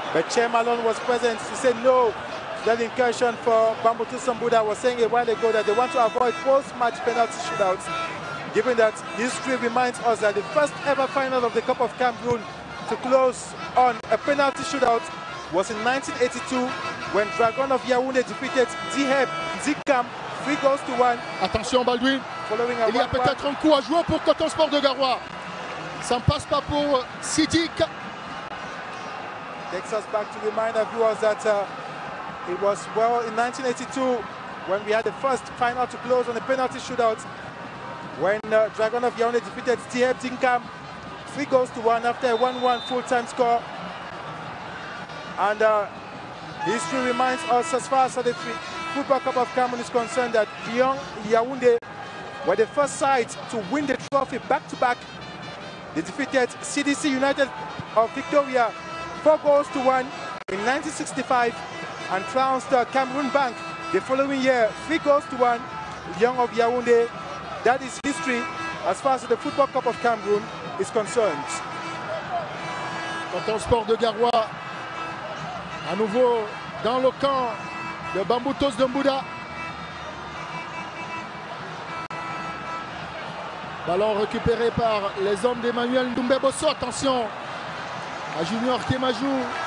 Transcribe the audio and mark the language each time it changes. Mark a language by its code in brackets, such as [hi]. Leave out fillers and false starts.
[en] But Chair Malone was present to say no. That incursion for Bambutos Mbouda, was saying a while ago that they want to avoid post-match penalty shootouts. Given that history reminds us that the first ever final of the Cup of Cameroon to close on a penalty shootout was in 1982 when Dragon of Yaoundé defeated Diheb Zikam 3-1. [fr] Attention Baldwin, [en] following [fr] il y a peut-être un coup à jouer pour Coton Sport de Garoua. Ça ne passe pas pour Sidik. [en] Takes us back to remind our viewers that it was well in 1982 when we had the first final to close on a penalty shootout. When Dragon of Yaoundé defeated Diheb Zikam 3-1 after a 1-1 full-time score. And history reminds us, as far as the Football Cup of Cameroon is concerned, that Lyon Yaoundé were the first side to win the trophy back-to-back. They defeated CDC United of Victoria 4-1 in 1965 and trounced Cameroon Bank the following year 3-1. Lyon of Yaoundé, that is history as far as the Football Cup of Cameroon is concerned. [fr] Coton Sport de Garoua, à nouveau dans le camp de Bambutos de Mbouda. Ballon récupéré par les hommes d'Emmanuel Ndumbebosso. Attention à Junior Kemajou.